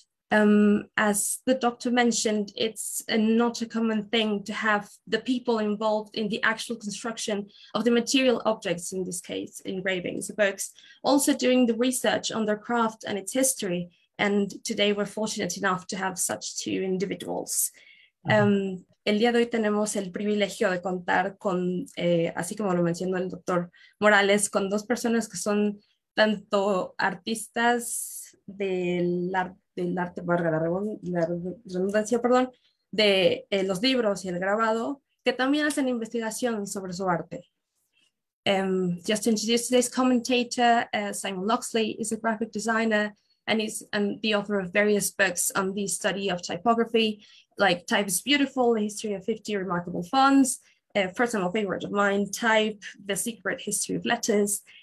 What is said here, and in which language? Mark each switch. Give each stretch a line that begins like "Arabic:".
English: As the doctor mentioned, it's not a common thing to have the people involved in the actual construction of the material objects, in this case, engravings, books, also doing the research on their craft and its history. And today we're fortunate enough to have such two individuals. Mm-hmm.
Spanish: El día de hoy tenemos el privilegio de contar con, así como lo mencionó el doctor Morales, con dos personas que son tanto artistas del arte, valga la redundancia, perdón, de los libros y el grabado, que también hacen investigación sobre su arte.
English: Just to introduce today's commentator, Simon Loxley is a graphic designer and is the author of various books on the study of typography, like Type is Beautiful, The History of 50 Remarkable Fonts, a personal favorite of mine, Type, The Secret History of Letters.